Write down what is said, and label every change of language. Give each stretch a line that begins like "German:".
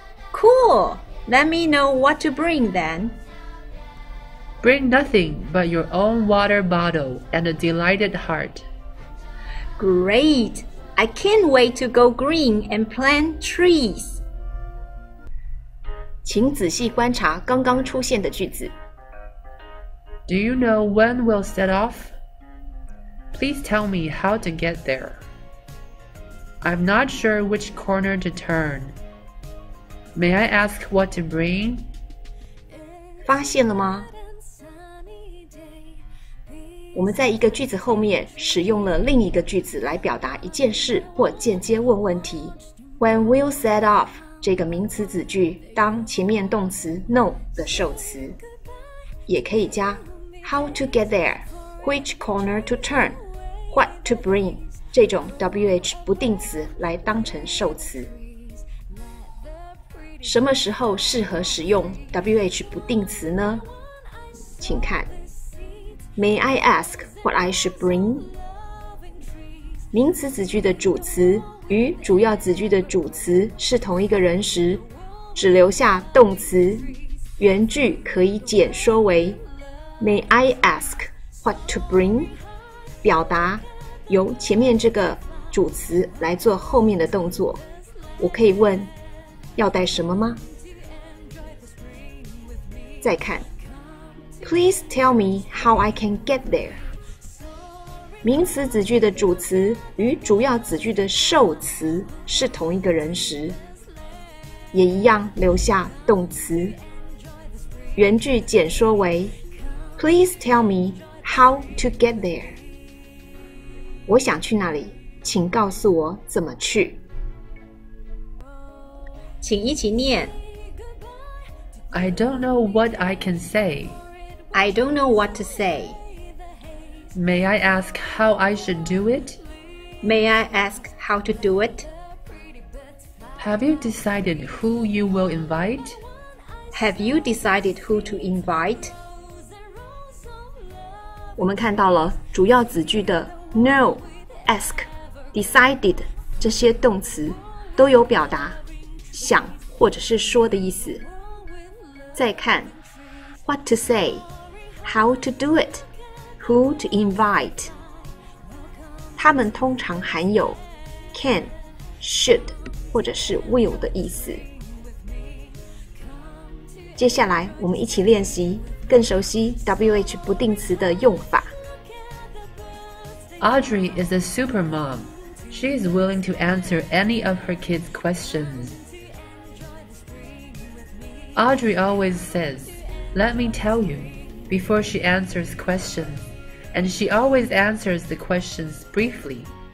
English: Cool. Let me know what to bring then. Bring nothing but your own water bottle and a delighted heart. Great! I can't wait to go green and plant trees.
Chinese: 请仔细观察刚刚出现的句子。
English: Do you know when we'll set off? Please tell me how to get there. I'm not sure which corner to turn. May I ask what to bring?
Chinese: 发现了吗？我们在一个句子后面使用了另一个句子来表达一件事或间接问问题。
English: When will set off
Chinese: 这个名词子句当前面动词 know 的受词，也可以加
English: how to get there, which corner to turn, what to bring
Chinese: 这种 WH 不定词来当成受词。什么时候适合使用 WH 不定词呢？请看。
English: May I ask what I should bring?
Chinese: 名词子句的主词与主要子句的主词是同一个人时，只留下动词，原句可以简说为
English: May I ask what to bring?
Chinese: 表达由前面这个主词来做后面的动作。我可以问，要带什么吗？再看。
English: Please tell me how I can get there.
Chinese: 名词子句的主词与主要子句的受词是同一个人时，也一样留下动词。原句简说为
English: Please tell me how to get there.
Chinese: 我想去那里，请告诉我怎么去。请一起念。
English: I don't know what I can say. I don't know what to say. May I ask how I should do it? May I ask how to do it? Have you decided who you will invite? Have you decided who to invite?
Chinese: 我们看到了主要子句的 know, ask, decided 这些动词都有表达想或者是说的意思。再看
English: what to say? How to do it? Who to invite?
Chinese: 它们通常含有 can, should, 或者是 will 的意思。接下来我们一起练习更熟悉 WH 不定词的用法。
English: Audrey is a super mom. She is willing to answer any of her kids' questions. Audrey always says, Let me tell you. Before she answers questions, and she always answers the questions briefly.